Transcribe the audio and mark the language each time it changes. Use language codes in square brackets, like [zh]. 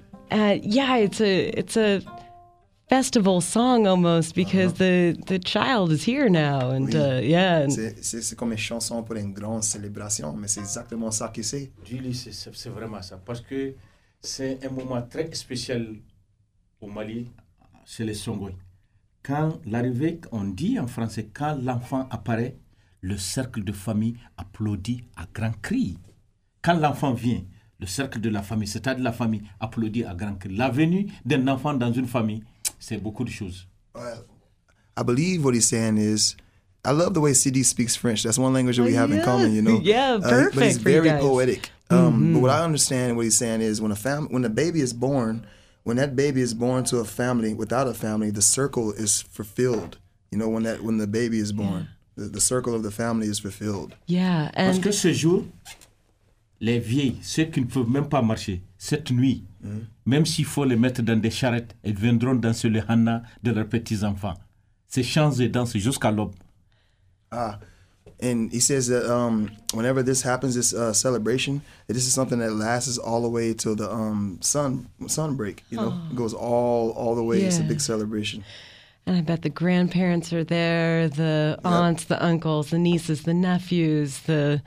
[en] Yeah, it's a festival song almost because the child is here now and [fr] oui. [en] Yeah. [fr] C'est comme une chanson pour une grande célébration, mais c'est exactement ça que c'est. Julie, c'est vraiment ça parce que c'est un moment très spécial au Mali, c'est les Songoï. Quand l'arrivée, on dit en français, quand l'enfant apparaît, le cercle de famille applaudit à grands cris. Quand l'enfant vient. Le cercle de la famille, c'est-à-dire la famille, applaudit à grand cri. La venue d'un enfant dans une famille, c'est beaucoup de choses. [en] Well, I believe what he's saying is, I love the way CD speaks French. That's one language that we have in common, you know. Yeah, perfect. But he's very poetic. Mm-hmm. But what I understand what he's saying is, when that baby is born to a family without a family, the circle is fulfilled. You know, when the baby is born, the circle of the family is fulfilled. Yeah, and [fr] parce que ce jour. Les vieilles, ceux qui ne peuvent même pas marcher, cette nuit, même s'il faut les mettre dans des charrettes, elles viendront danser le hanna de leurs petits-enfants. Ces chants et danses jusqu'à l'aube. [en] Ah, and he says that whenever this happens, this celebration, this is something that lasts all the way till the sun break, you know, it goes all the way, it's a big celebration. And I bet the grandparents are there, the aunts, the uncles, the nieces, the nephews, the...